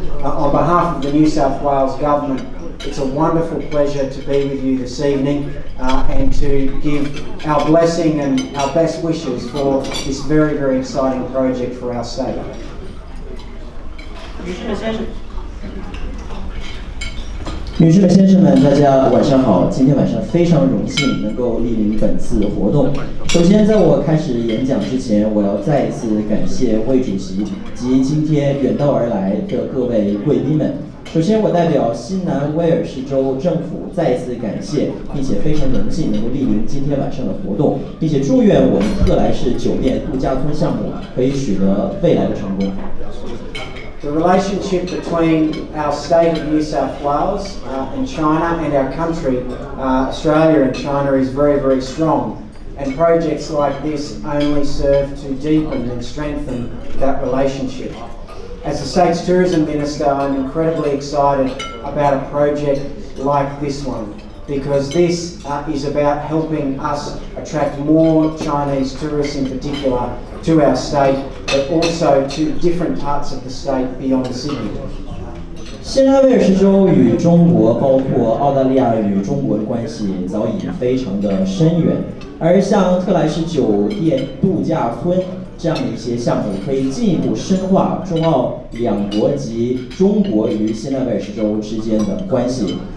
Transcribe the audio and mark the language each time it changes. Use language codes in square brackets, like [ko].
[en] On behalf of the New South Wales Government, it's a wonderful pleasure to be with you this evening and to give our blessing and our best wishes for this very, very exciting project for our state. [zh] 女士们、先生们，大家晚上好。今天晚上非常荣幸能够莅临本次活动。首先，在我开始演讲之前，我要再一次感谢魏主席及今天远道而来的各位贵宾们，首先，我代表新南威尔士州政府再次感谢，并且非常荣幸能够莅临今天晚上的活动，并且祝愿我们特莱士酒店度假村项目可以取得未来的成功。 [en] The relationship between our state of New South Wales and China and our country, Australia and China, is very, very strong. And projects like this only serve to deepen and strengthen that relationship. As the state's tourism minister, I'm incredibly excited about a project like this one because this is about helping us attract more Chinese tourists in particular to our state, but also to different parts of the state beyond Sydney. [zh] 新南威尔士州与中国，包括澳大利亚与中国的关系早已非常的深远，而像特莱士酒店度假村这样的一些项目，可以进一步深化中澳两国及中国与新南威尔士州之间的关系。